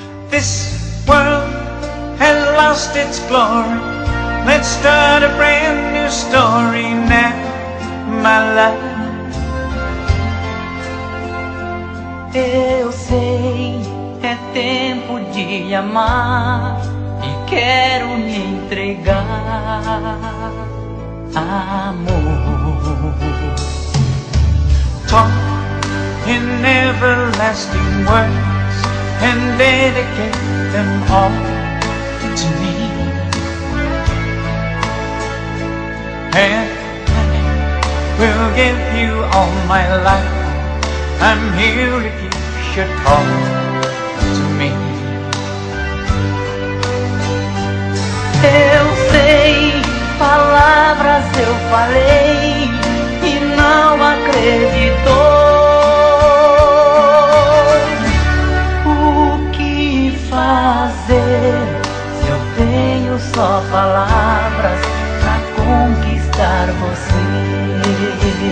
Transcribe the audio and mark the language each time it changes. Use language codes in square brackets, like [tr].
[en] This world has lost its glory. Let's start a brand new story now, my love. [pt] Eu sei, é tempo de amar e quero me entregar, amor. [en] Talk in everlasting words and dedicate them all to me. And I will give you all my life. I'm here if you should call to me. [pt] Eu sei, palavras eu falei e não acreditou. O que fazer se eu tenho só palavras pra conquistar você?